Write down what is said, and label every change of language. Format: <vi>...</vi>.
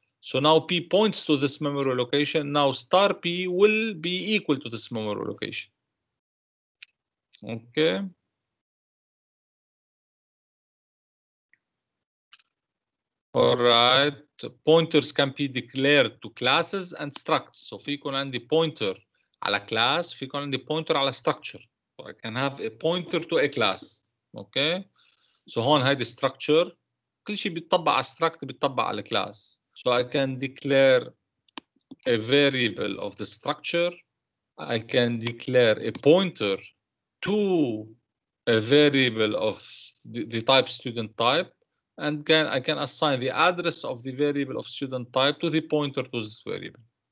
<en>So now p points to this memory location. Now star p will be equal to this memory location. Okay. Alright. Pointers can be declared to classes and structs.</en> <ar>So فيكون عندي pointer على class, فيكون عندي pointer على structure.</ar> <en>So I can have a pointer to a class. Okay. So</en> <ar>هون هاي دي</ar> <en>structure.</en> <ar>كل شيء بيتطبق على struct بيتطبق على class.</ar> <en>So I can declare a variable of the structure. I can declare a pointer to a variable of the type student type. And again, I can assign the address of the variable of student type to the pointer to this variable.</en>